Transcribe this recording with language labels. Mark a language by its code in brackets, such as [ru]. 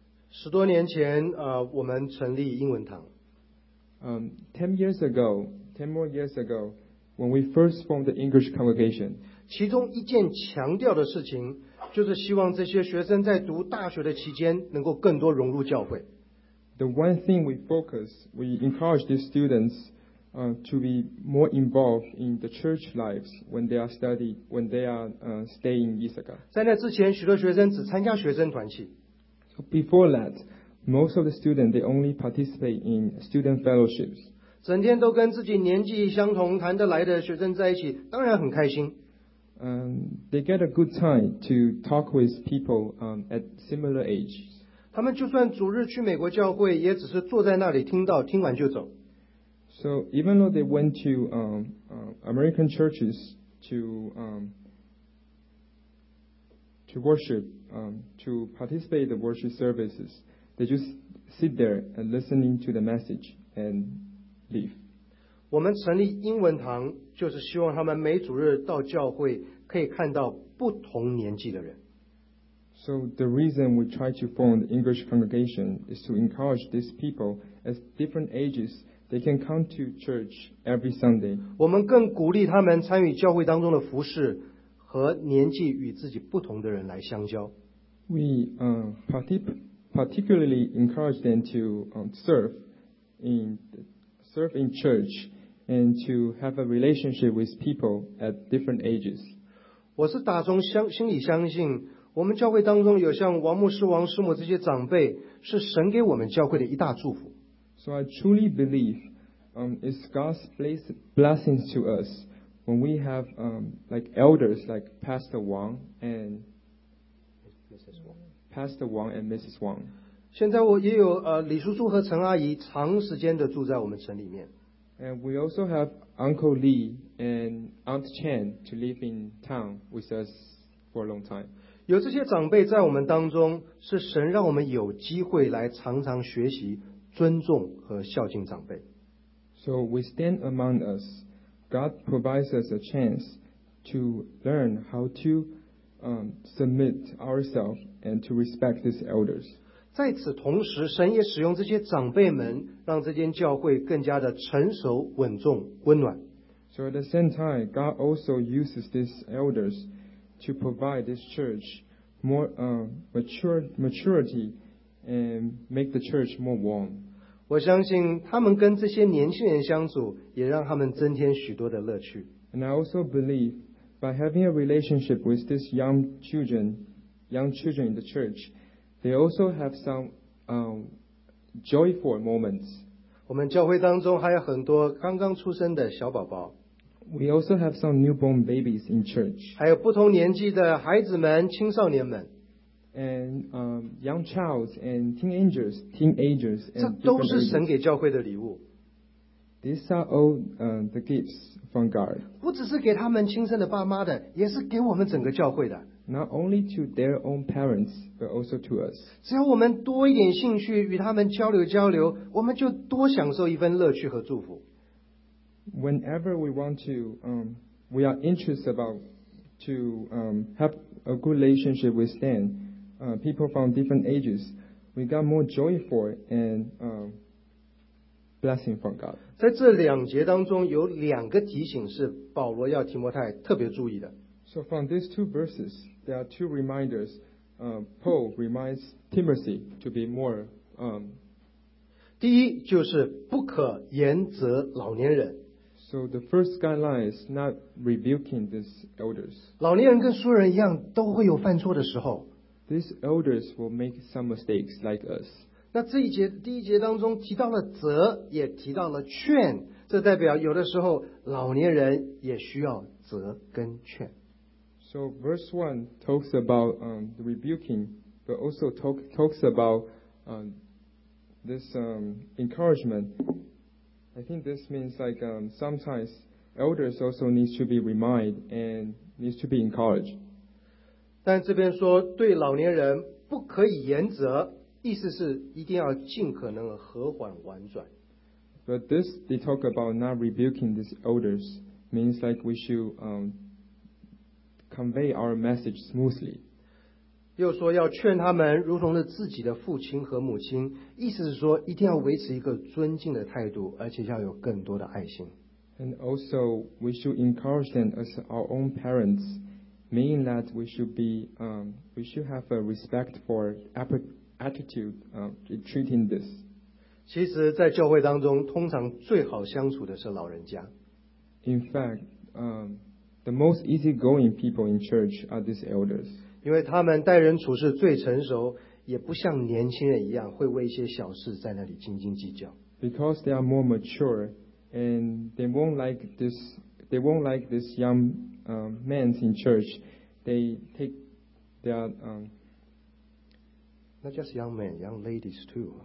[zh] 十多年前，我们成立英文堂。 [en] Ten more years ago, when we first formed the English congregation, [zh] 其中一件强调的事情。就是希望这些学生在读大学的期间能够更多融入教会。 [en] The one thing we focus, we encourage these students, to be more involved in the church lives when they are studying, when they are, staying in Ithaca. [zh] 在那之前，许多学生只参加学生团契。 [en] So before that, most of the students they only participate in student fellowships. [zh] 整天都跟自己年纪相同、谈得来的学生在一起，当然很开心。 [en] They get a good time to talk with people, at similar age. [zh] 他们就算主日去美国教会，也只是坐在那里听到，听完就走。 [en] So even though they went to American churches to worship, to participate in the worship services, they just sit there and listening to the message and leave. [zh] 我们成立英文堂，就是希望他们每主日到教会。可以看到不同年纪的人。 [en] So the reason we try to form the English congregation is to encourage these people at different ages, they can come to church every Sunday. [zh] 我们更鼓励他们参与教会当中的服事，和年纪与自己不同的人来相交。 [en] We particularly encourage them to serve in church and to have a relationship with people at different ages. [zh] 我是打从心里相信，我们教会当中有像王牧师、王师母这些长辈，是神给我们教会的一大祝福。 [en] So I truly believe, it's God's blessings to us when we have, like elders like Pastor Wang and Mrs. Wang. [zh] 现在我也有李叔叔和陈阿姨长时间的住在我们城里面。 [en] And we also have Uncle Lee and Aunt Chen to live in town with us for a long time. [zh] 有这些长辈在我们当中，是神让我们有机会来常常学习尊重和孝敬长辈。 [en] So we stand among us. God provides us a chance to learn how to submit ourselves and to respect these elders. [zh] 在此同时，神也使用这些长辈们，让这间教会更加的成熟、稳重、温暖。 [en] So at the same time, God also uses these elders to provide this church more maturity and make the church more warm. [zh] 我相信他们跟这些年轻人相处，也让他们增添许多的乐趣。 [en] And I also believe by having a relationship with these young children in the church. They also have some joyful moments. [zh] 我们教会当中还有很多刚刚出生的小宝宝。 [en] We also have some newborn babies in church. [zh] 还有不同年纪的孩子们、青少年们。 [en] And young childs and teenagers. [zh] 这都是神给教会的礼物。 [en] These are all the gifts from God. [zh] 不只是给他们亲生的爸妈的，也是给我们整个教会的。 [en] Not only to their own parents, but also to us. [zh] 只要我们多一点兴趣与他们交流交流，我们就多享受一份乐趣和祝福。 [en] Whenever we want to, we are interested about to have a good relationship with them, people from different ages, we got more joyful and blessing from God. [zh] 在这两节当中，有两个提醒是保罗要提摩太特别注意的。 [en] So from these two verses. There are two reminders. Paul reminds Timothy to be more. [zh] 第一就是不可严责老年人。 [en] So the first guideline is not rebuking these elders. [zh] 老年人跟书人一样，都会有犯错的时候。 [en] These elders will make some mistakes like us. [zh] 那这一节第一节当中提到了责，也提到了劝，这代表有的时候老年人也需要责跟劝。 [en] So verse 1 talks about the rebuking, but also talks about this encouragement. I think this means like sometimes elders also need to be reminded and need to be encouraged. [zh] 但这边说对老年人不可以严责，意思是一定要尽可能和缓婉转。 [en] But this, they talk about not rebuking these elders, means like we should... convey our message smoothly. [zh] 又说要劝他们如同是自己的父亲和母亲，意思是说一定要维持一个尊敬的态度，而且要有更多的爱心。 [en] And also, we should encourage them as our own parents, meaning that we should be, we should have a respectful attitude treating this. [zh] 其实在教会当中通常最好相处的是老人家。 [en] In fact, the most easygoing people in church are these elders. [zh] 因为他们待人处事最成熟，也不像年轻人一样会为一些小事在那里斤斤计较。 [en] Because they are more mature, and they won't like this young men in church. They take their not just young men, young ladies too.